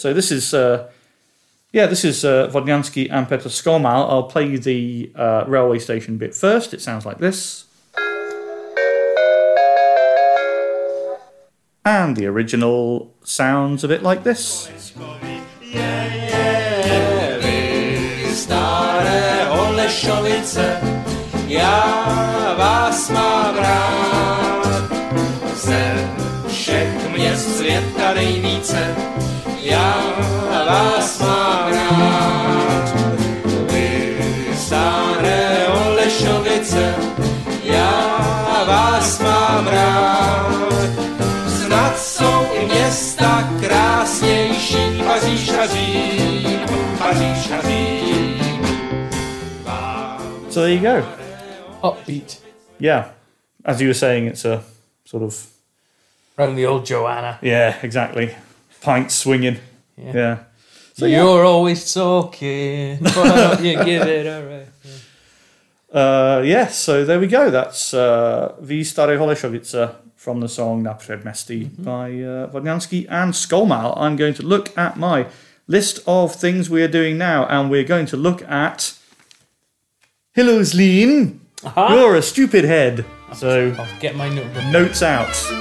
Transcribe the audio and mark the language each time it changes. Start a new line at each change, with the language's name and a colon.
English: So this is Vodňanský and Petr Skolmál. I'll play you the railway station bit first. It sounds like this. And the original sounds a bit like this.
Czech: Holešovice, já vás mám rád. Jsem všech měst světa nejvíce, já vás mám rád. Vy, staré Holešovice, já vás mám rád. Snad jsou i města krásnější, Paříž a Řím, Paříž a Řím.
English: So there you go. Upbeat. Yeah. As you were saying, it's a sort of... Around the old Joanna. Yeah, exactly. Pints swinging. Yeah. So you're always talking, why don't you give it a rest? So there we go. That's V Staré Holešovice from the song Na předměstí by Vodňanský and Skolmál. I'm going to look at my list of things we are doing now, and we're going to look at... Hello, Zlín. Uh-huh. You're a stupid head. So I'll get my notebook. Notes out.